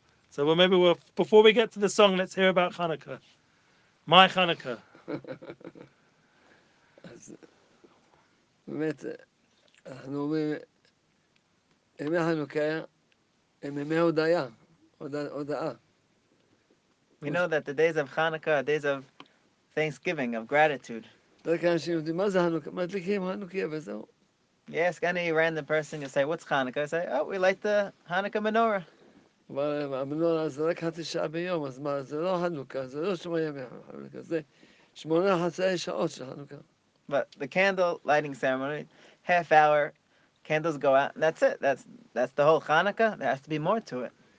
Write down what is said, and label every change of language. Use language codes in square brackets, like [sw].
[en] So well, maybe we'll, before we get to the song, let's hear about Hanukkah. My Hanukkah. [he] באמת, אנחנו אומרים, ימי חנוכה הם ימי הודעה, הודעה. [en] We know that the days of Hanukkah are days of thanksgiving, of gratitude. [he] דרך כלל אנשים יודעים, מה זה חנוכה? מדליקים חנוכה וזהו. [en] Yes, any random person you say, what's Hanukkah? I say, oh, we light the Hanukkah menorah. [he] אבל המנורה זה רק התשעה ביום, אז מה, זה לא חנוכה, זה לא שמונה ימי חנוכה, זה שמונה חצאי שעות של חנוכה. [en] But the candle lighting ceremony, half hour, candles go out, and that's it. That's the whole Hanukkah. There has to be more to it.